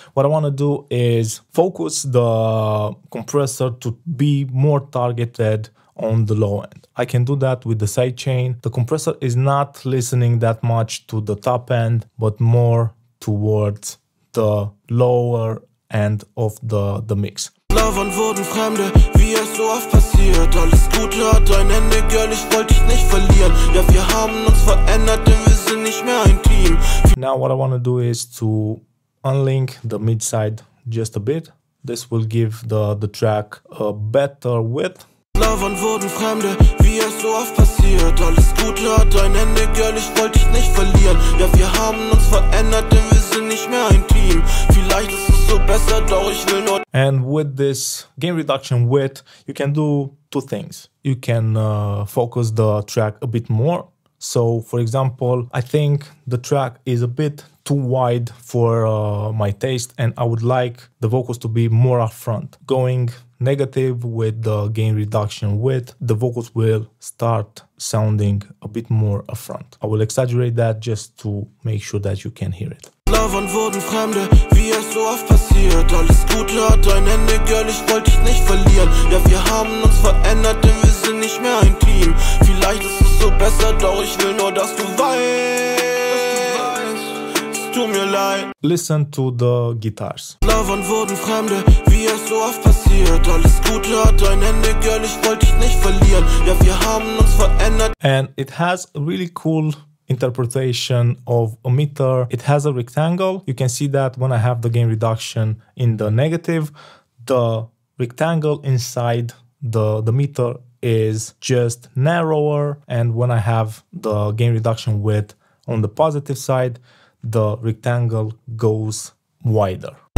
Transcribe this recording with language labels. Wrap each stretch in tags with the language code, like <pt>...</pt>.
<en>What I want to do is focus the compressor to be more targeted on the low end. I can do that with the sidechain. The compressor is not listening that much to the top end, but more towards the lower end of the mix.</en> <de>Lovern wurden Fremde, wie es so oft passiert. Alles Gute hat ein Ende, girl, ich wollte dich nicht verlieren. Ja, wir haben uns verändert, denn wir sind nicht mehr ein Team.</de> <en>Now what I want to do is to unlink the mid-side just a bit. This will give the track a better width.</en> <de>Lovern wurden Fremde, wie es so oft passiert. Alles Gute hat ein Ende, girl, ich wollte dich nicht verlieren. Ja, wir haben uns verändert, denn wir sind nicht mehr ein Team. Vielleicht ist es so besser, doch ich will nur.</de> <en>And with this gain reduction width, you can do two things. You can focus the track a bit more. So, for example, I think the track is a bit too wide for my taste, and I would like the vocals to be more upfront. Going negative with the gain reduction width, the vocals will start sounding a bit more upfront. I will exaggerate that just to make sure that you can hear it.</en> <de>Lovern wurden Fremde, wie es so oft passiert. Alles Gute hat ein Ende, girl, ich wollte dich nicht verlieren. Ja, wir haben uns verändert, denn wir sind nicht mehr ein Team. Vielleicht ist es so besser, doch ich will nur, dass du weißt. Es tut mir leid.</de> <en>Listen to the guitars.</en> <de>Lovern wurden Fremde, wie es so oft passiert. Alles Gute hat ein Ende, girl, ich wollte dich nicht verlieren. Ja, wir haben uns verändert.</de> <en>And it has a really cool interpretation of a meter. It has a rectangle. You can see that when I have the gain reduction in the negative, the rectangle inside the meter is just narrower, and when I have the gain reduction width on the positive side, the rectangle goes wider.</en>